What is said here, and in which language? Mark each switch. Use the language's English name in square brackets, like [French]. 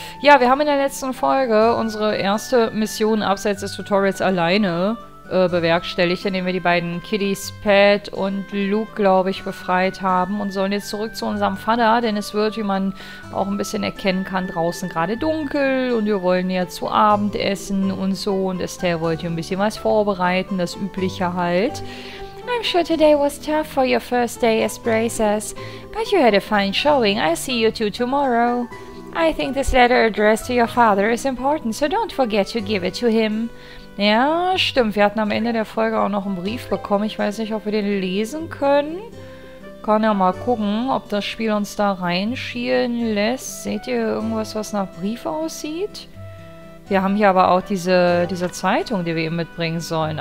[German] Ja, wir haben in der letzten Folge unsere erste Mission abseits des Tutorials alleine bewerkstelligt, indem wir die beiden Kiddies Pat und Luke, glaube ich, befreit haben und sollen jetzt zurück zu unserem Vater, denn es wird, wie man auch ein bisschen erkennen kann, draußen gerade dunkel und wir wollen ja zu Abend essen und so und Estelle wollte ein bisschen was vorbereiten, das Übliche halt. [English] I'm sure today was tough for your first day as Bracers, but you had a fine showing. I'll see you two tomorrow. I think this letter addressed to your father is important, so don't forget to give it to him. [German] Ja, stimmt. Wir hatten am Ende der Folge auch noch einen Brief bekommen. Ich weiß nicht, ob wir den lesen können. Kann ja mal gucken, ob das Spiel uns da reinschielen lässt. Seht ihr irgendwas, was nach Brief aussieht? Wir haben hier aber auch diese Zeitung, die wir eben mitbringen sollen.